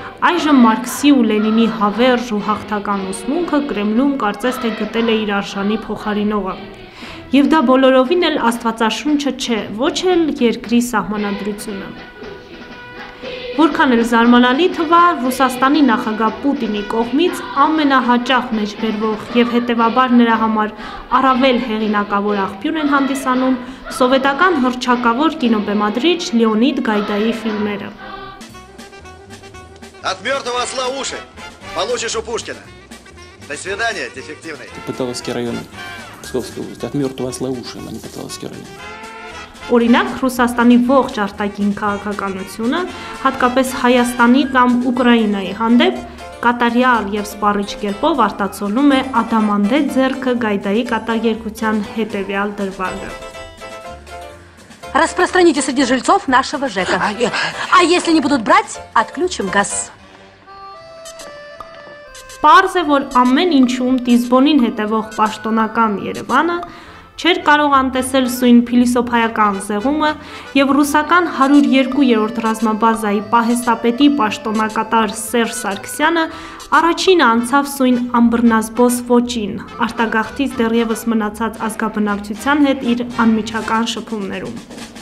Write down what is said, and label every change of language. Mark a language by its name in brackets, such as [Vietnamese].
[Armenian] Այժմ Մարքսի ու Լենինի հավերժ ու հաղթական ուսմունքը Կրեմլում կարծես թե գտել է իր արժանի փոխարինողը։ Եվ դա բոլորովին էլ աստվածաշունչը չէ, ոչ էլ երկրի սահմանադրությունը։ Որքան էլ զարմանալի թվա, Ռուսաստանի նախագահ Պուտինի կողմից ամենահաճախ մեջբերվող և հետևաբար նրա համար առավել հեղինակավոր աղբյուր են հանդիսանում սովետական հռչակավոր կինոբեմադրիչ Լեոնիդ Գայդայի ֆիլմերը։ [Russian] От мертвого осла уши. Получишь у Пушкина. До свидания, дефективный. Ты Поталовский район, Псковская область. От мертвого осла уши, а не Поталовский район. [Armenian] Օրինակ, Ռուսաստանի ողջ արտաքին քաղաքականությունը, հատկապես Հայաստանի կամ Ուկրաինայի հանդեպ, կատարյալ և սպառիչ կերպով արտացոլում է ադամանդե ձեռքը Գայդայի կատակերգության հետևյալ դրվագը. [Russian] Распространите среди жильцов нашего ЖЭКа. А если не будут брать, отключим газ. [Armenian] Պարզ է, որ ամեն ինչում Տիզբոնին հետևող պաշտոնական Երևանը չէր կարող անտեսել սույն փիլիսոփայական զեղումը և ռուսական 102-րդ ռազմաբազայի պահեստապետի պաշտոնակատար Սերժ Սարգսյանը առաջինը անցավ սույն ամբռնազբոս ոճին, արտագաղթից դեռևս մնացած ազգաբնակչության հետ իր անմիջական շփումներում։